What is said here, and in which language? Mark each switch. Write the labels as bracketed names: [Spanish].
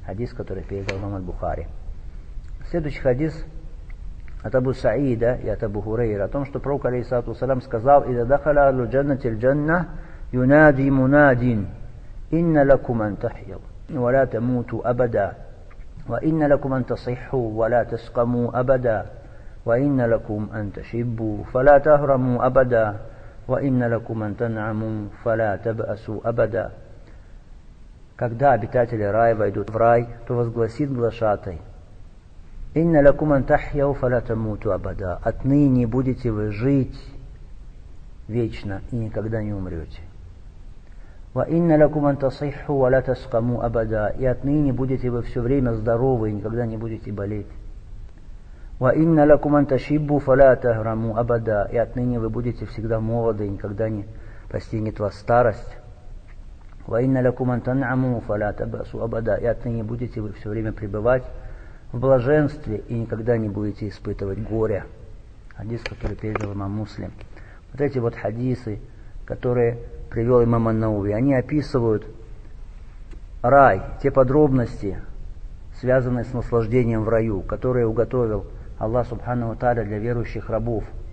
[Russian] Хадис, который передал нам Аль-Бухари. Следующий хадис от Абу Саида и от Абу Хурейра о том, что пророк, алейхиссалату ассалям, сказал, [Arabic] «Ида дахаля алу джаннати ль-джанна юнади мунадин, инна лаку ман тахил, ва ля тамуту абада». وإن لكم أن تصحوا ولا تسقموا أبدا وإن لكم أن تشبوا فلا تهرموا أبدا وإن لكم أن تنعموا فلا تبأسوا أبدا. [Russian] Когда обитатели рая войдут в рай, то возгласит глашатай: [Arabic] إن لكم أن تحيوا فلا تموتوا أبدا. [Russian] Отныне будете вы жить вечно и никогда не умрете. [Arabic] وإن لكم أن تصحوا ولا تسقموا أبدا. [Russian] И отныне будете вы все время здоровы и никогда не будете болеть. [Arabic] وإن لكم أن تشبوا فلا تهرموا أبدا. [Russian] И отныне вы будете всегда молоды и никогда не постигнет вас старость. [Arabic] وإن لكم أن تنعموا فلا تبأسوا أبدا. [Russian] И отныне будете вы все время пребывать в блаженстве и никогда не будете испытывать горя. Хадис, который передал имам Муслим. Вот эти вот хадисы, которые привел имам ан-Науви, они описывают рай, те подробности, связанные с наслаждением в раю, которые уготовил Аллах Субхана ва Тааля для верующих рабов.